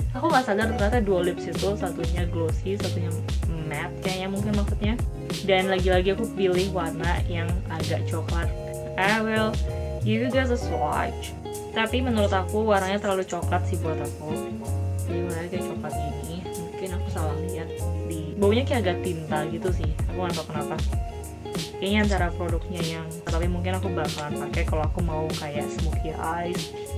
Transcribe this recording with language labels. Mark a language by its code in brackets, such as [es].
[id] Aku nggak sadar ternyata dual lips itu satunya glossy, satunya matte kayaknya mungkin maksudnya. Dan lagi-lagi aku pilih warna yang agak coklat. [en] I will give you guys a swatch. [id] Tapi menurut aku warnanya terlalu coklat sih buat aku. Jadi warnanya kayak coklat gini. Mungkin aku salah lihat. Baunya kayak agak tinta gitu sih. Aku nggak tahu kenapa. Ini antara produknya yang, tapi mungkin aku bakalan pakai kalau aku mau kayak smoky eyes.